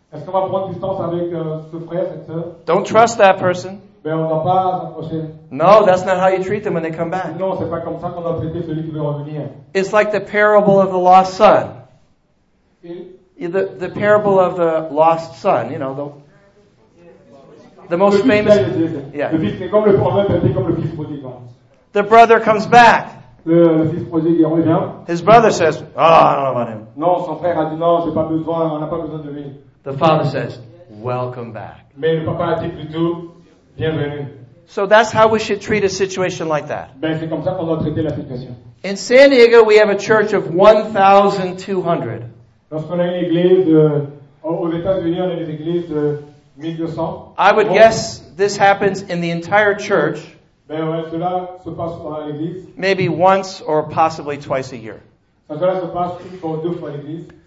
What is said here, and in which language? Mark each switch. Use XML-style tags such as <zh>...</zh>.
<fr>Est-ce qu'on va prendre distance avec, ce frère, cette sœur?</fr> <en>Don't trust that person.</en> <fr>Ben, on va pas s'approcher.</fr> <en>No, that's not how you treat them when they come back.</en> <fr>Non, c'est pas comme ça qu'on va traiter celui qui veut revenir.</fr> <en>It's like the parable of the lost son. The parable of the lost son, you know, the most famous. Yeah. The brother comes back.</en> <fr>Le fils prodigue, il revient.</fr> <en>His brother says, oh, I don't know about him.</en> <fr>Non, son frère a dit, non, j'ai pas besoin, on n'a pas besoin de lui.</fr> <en>The father says, welcome back.</en> <fr>Mais le papa a dit plutôt, bienvenue.</fr> <en>So that's how we should treat a situation like that.</en> <fr>Ben, c'est comme ça qu'on doit traiter la situation.</fr> <en>In San Diego, we have a church of 1,200.</en> <fr>Lorsqu'on a une église de, aux États-Unis, on a des églises de 1,200.</fr> <en>I would guess this happens in the entire church.</en> <fr>Ben, ouais, cela se passe dans l'église.</fr> <en>Maybe once or possibly twice a year.</en> <fr>Ça, cela se passe une fois ou deux fois l'église.</fr>